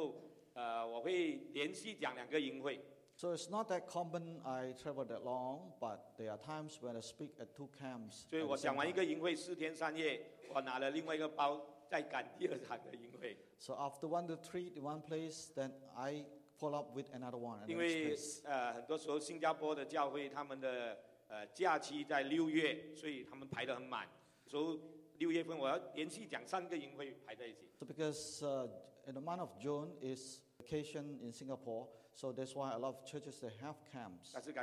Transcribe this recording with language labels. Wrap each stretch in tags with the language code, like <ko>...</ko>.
<zh>我不常去一个旅程去这么久，当然有时候我会连续讲两个营会。</zh> <en>So it's not that common I travel that long, but there are times when I speak at two camps.</en> <zh>所以我讲完一个营会四天三夜，我拿了另外一个包再赶第二场的营会。</zh> <en>So after one retreat in one place, then I follow up with another one.</en> <zh>因为很多时候新加坡的教会他们的假期在六月，所以他们排得很满，所以六月份我要连续讲三个营会排在一起。</zh> <en>So because in the month of June is vacation in Singapore, so that's why a lot of churches they have camps.</en>